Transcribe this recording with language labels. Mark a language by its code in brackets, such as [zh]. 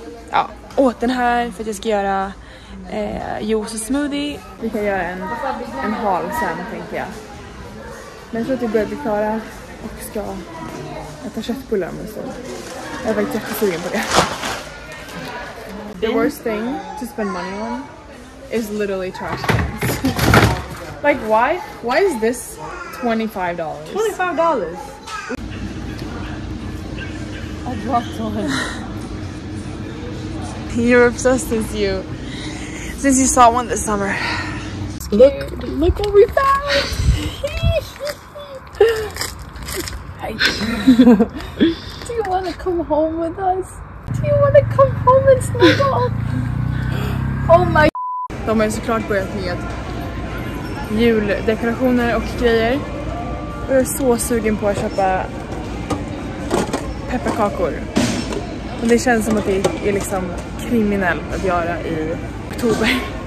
[sv] Ja, åt den här för att jag ska göra juice och smoothie. Vi kan göra en haul sen, tänker jag. Men jag tror att vi börjar bli klara och ska äta köttbullar med så. Jag är faktiskt jättesugen på det. [en] The worst thing to spend money on is literally trash cans. Like why? Why is this $25? $25? I dropped one. You're obsessed since you saw one this summer. Scared. Look what we found! Do you want to come home with us? Do you want to come home and snuggle? Oh my! [sv] De har såklart börjat med juldekorationer och grejer. Jag är så sugen på att köpa pepparkakor. Men det känns som att det är liksom kriminellt att göra i oktober.